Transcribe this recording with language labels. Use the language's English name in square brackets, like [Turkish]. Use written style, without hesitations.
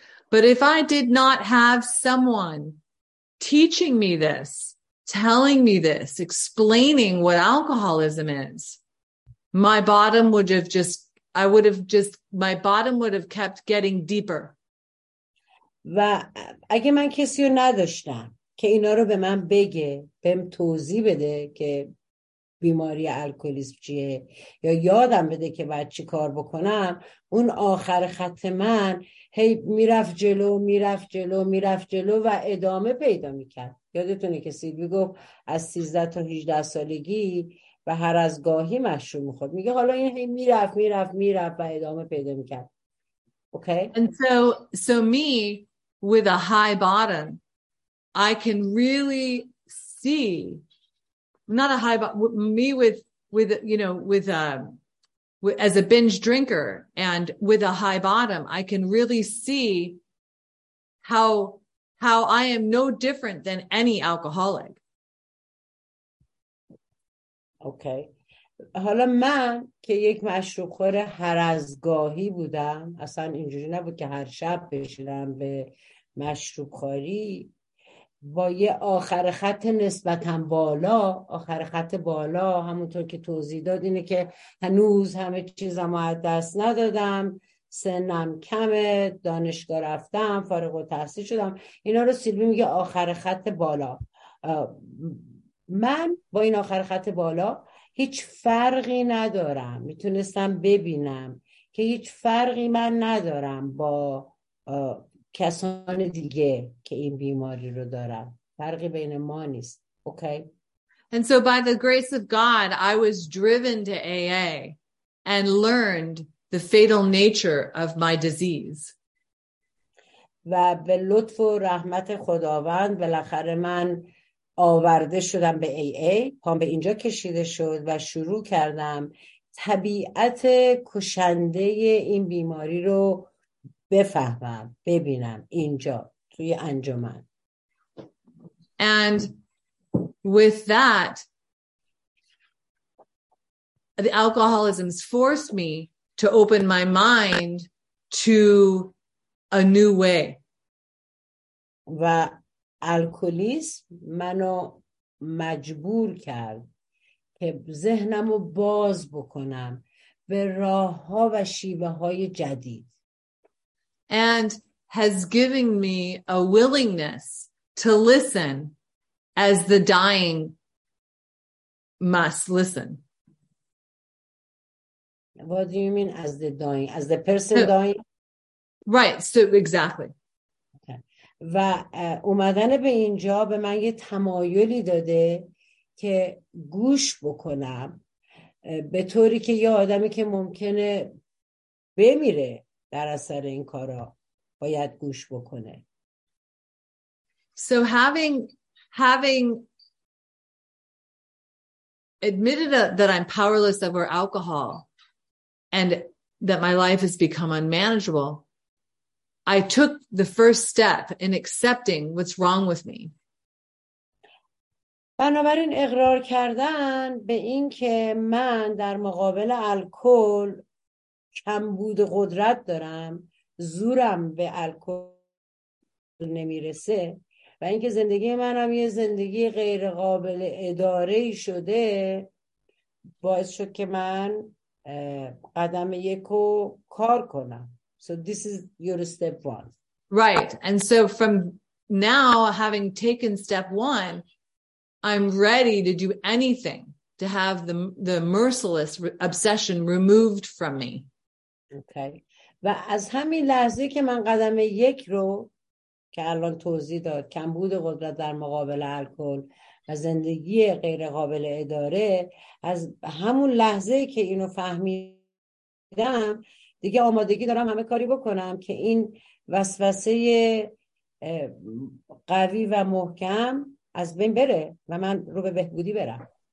[English] But if I did not have someone teaching me this, telling me this, explaining what alcoholism is, my bottom would have kept getting deeper. [Persian] و اگه من کسی رو نداشتم که اینا رو به من بگه، بهم توضیح بده که بیماری الکلیسم چیه، یا یادم بده که بعد چی کار بکنم، اون آخر خط من هی میرفت جلو، میرفت جلو، میرفت جلو و ادامه پیدا میکرد. یادتونه که سیلوی گفت از 13 تا 18 سالگی و هر از گاهی مشروب میخورد، میگه حالا این هی میرفت میرفت میرفت و ادامه پیدا میکرد. [English] Okay. And so me with a high bottom, I can really see, not a high bottom, me with you know, with a as a binge drinker and with a high bottom, I can really see how I am no different than any alcoholic. Okay. [Persian] حالا من که یک مشروب خور هر از گاهی بودم، اصلا اینجوری نبود که هر شب بشینم به مشروب خوری با یه آخر خط نسبتاً بالا، آخر خط بالا همونطور که توضیح داد اینه که هنوز همه چیزم رو از دست ندادم، سنم کمه، دانشگاه رفتم، فارغ التحصیل شدم. اینا رو سیلوی میگه آخر خط بالا. من با این آخر خط بالا هیچ فرقی ندارم، میتونستم ببینم که هیچ فرقی من ندارم با کسان دیگه که این بیماری رو دارن، فرقی بین ما نیست. اوکی. [English] And so by the grace of God I was driven to AA and learned the fatal nature of my disease. [Persian] و به لطف و رحمت خداوند بالاخره من آورده شدم به AA، پام به اینجا کشیده شد و شروع کردم طبیعت کشنده این بیماری رو بفهمم، ببینم اینجا توی انجمن. [English] And with that the alcoholism forced me to open my mind to a new way. [Persian] و الکلیسم منو مجبور کرد که ذهنمو باز بکنم به راه‌ها و شیوه‌های جدید. [English] And has given me a willingness to listen as the dying must listen. What do you mean as the dying? As the person dying? Right, so exactly. [Persian] و اومدن به اینجا به من یه تمایلی داده که گوش بکنم به طوری که یه آدمی که ممکنه بمیره در اثر این کارا باید گوش بکنه. [English] So having admitted that I'm powerless over alcohol and that my life has become unmanageable, I took the first step in accepting what's wrong with me. [Persian] بنابراین اقرار کردن به این که من در مقابل الکل کمبود قدرت دارم، زورم به الکل نمیرسه و اینکه زندگی منم یه زندگی غیر قابل اداره شده، باعث شد که من قدم یک رو کار کنم. [English] So this is your step one. Right. And so from now, having taken step one, I'm ready to do anything to have the merciless obsession removed from me. Okay. [Persian] و از همین لحظه که من قدم یک رو که الان توضیح داد، کمبود قدرت در مقابل الکل و زندگی غیر قابل اداره، از همون لحظه که اینو فهمیدم دیگه آمادگی دارم همه کاری بکنم که این وسوسه قوی و محکم از بین بره و من رو به بهبودی برم.